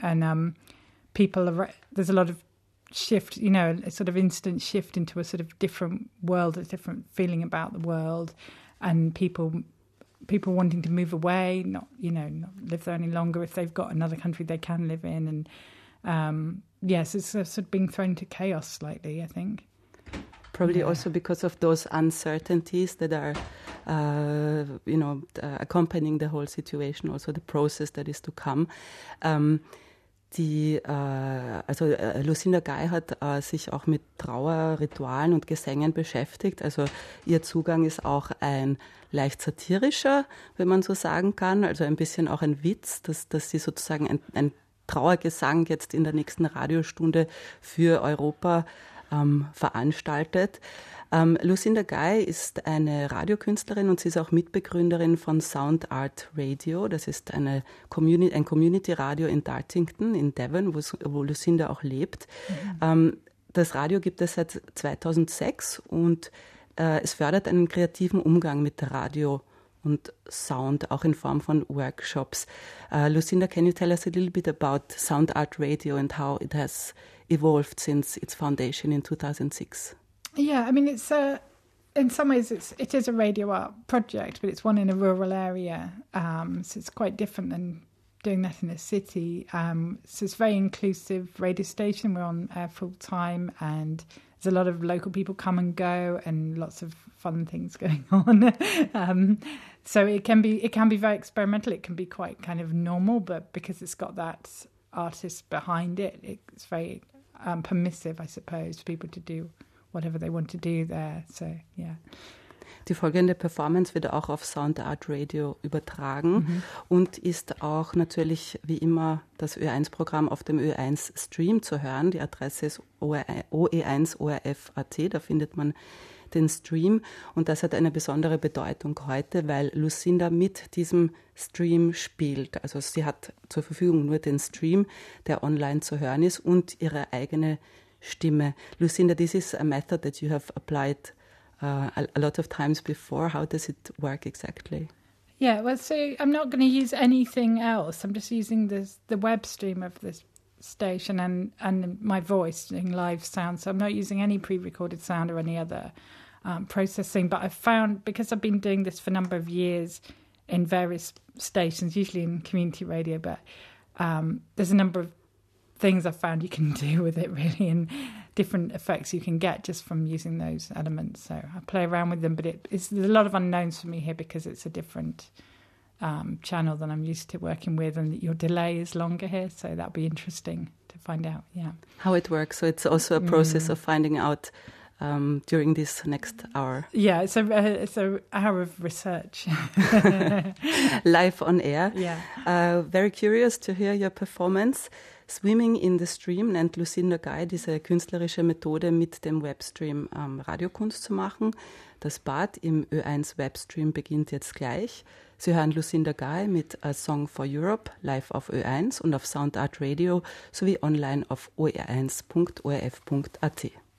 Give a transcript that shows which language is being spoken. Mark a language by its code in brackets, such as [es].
[en] And there's a lot of shift, you know, a sort of instant shift into a sort of different world, a different feeling about the world, and people wanting to move away, not live there any longer if they've got another country they can live in. And yes, it's sort of being thrown into chaos slightly, I think. Probably also because of those uncertainties that are, accompanying the whole situation, also the process that is to come. [de] Lucinda Guy hat sich auch mit Trauerritualen und Gesängen beschäftigt. Also ihr Zugang ist auch ein leicht satirischer, wenn man so sagen kann. Also ein bisschen auch ein Witz, dass sie sozusagen ein Trauergesang jetzt in der nächsten Radiostunde für Europa veranstaltet. Lucinda Guy ist eine Radiokünstlerin und sie ist auch Mitbegründerin von Sound Art Radio. Das ist ein Community-Radio in Dartington in Devon, wo Lucinda auch lebt. Mhm. Das Radio gibt es seit 2006 und es fördert einen kreativen Umgang mit Radio und Sound, auch in Form von Workshops. [en] Lucinda, can you tell us a little bit about Sound Art Radio and how it has evolved since its foundation in 2006? Yeah, I mean, it's in some ways it is a radio art project, but it's one in a rural area, so it's quite different than doing that in a city. So it's a very inclusive radio station. We're on air full time, and there's a lot of local people come and go, and lots of fun things going on. So it can be very experimental. It can be quite kind of normal, but because it's got that artist behind it, it's very permissive, I suppose, for people to do whatever they want to do there. So, yeah. [de] Die folgende Performance wird auch auf Sound Art Radio übertragen und ist auch natürlich wie immer das Ö1-Programm auf dem Ö1-Stream zu hören. Die Adresse ist oe1orf.at, da findet man den Stream. Und das hat eine besondere Bedeutung heute, weil Lucinda mit diesem Stream spielt. Also sie hat zur Verfügung nur den Stream, der online zu hören ist, und ihre eigene Stimme. [en] Lucinda, this is a method that you have applied a lot of times before. How does it work exactly? Yeah, well, so I'm not going to use anything else. I'm just using the web stream of this station and my voice doing live sound. So I'm not using any pre-recorded sound or any other processing. But I found, because I've been doing this for a number of years in various stations, usually in community radio, but there's a number of things I found you can do with it, really, and different effects you can get just from using those elements. So I play around with them, but there's a lot of unknowns for me here because it's a different channel than I'm used to working with, and your delay is longer here, so that'll be interesting to find out, yeah. How it works. So it's also a process of finding out during this next hour. Yeah, it's an hour of research. Live on air. Yeah. Very curious to hear your performance. [de] Swimming in the Stream nennt Lucinda Guy diese künstlerische Methode, mit dem Webstream Radiokunst zu machen. Das Bad im Ö1 Webstream beginnt jetzt gleich. Sie hören Lucinda Guy mit A Song for Europe live auf Ö1 und auf Soundart Radio sowie online auf or1.orf.at.